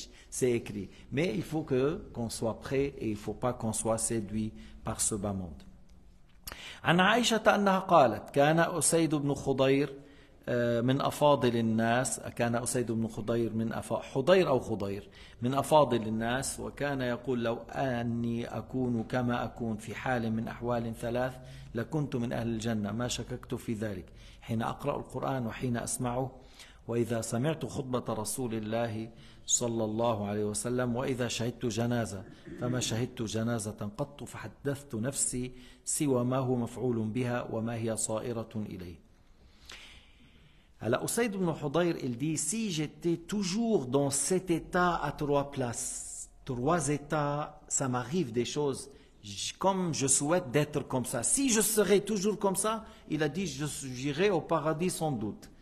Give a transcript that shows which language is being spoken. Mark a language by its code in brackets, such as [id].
[fr] C'est écrit. Mais il faut qu'on soit prêt et il ne faut pas qu'on soit séduit par ce bas monde. [ar] عن عائشة أنها قالت كان أسيد بن خضير من أفاضل الناس كان أسيد بن خضير من حضير أو خضير من أفاضل الناس وكان يقول لو أني أكون كما أكون في حال من أحوال ثلاث لكنت من أهل الجنة ما شككت في ذلك حين أقرأ القرآن وحين أسمعه وإذا سمعت خطبة رسول الله صلى الله عليه وسلم وإذا شهدت جنازة فما شهدت جنازة قط فحدثت نفسي سوى ما هو مفعول بها وما هي صائرة إليه. [fr] Alors Usayd ibn Hudayr, il dit, si j'étais toujours dans cet état à trois places, trois états, ça m'arrive des choses comme je souhaite d'être comme ça. Si je serais toujours comme ça, il a dit, j'irai au paradis sans doute.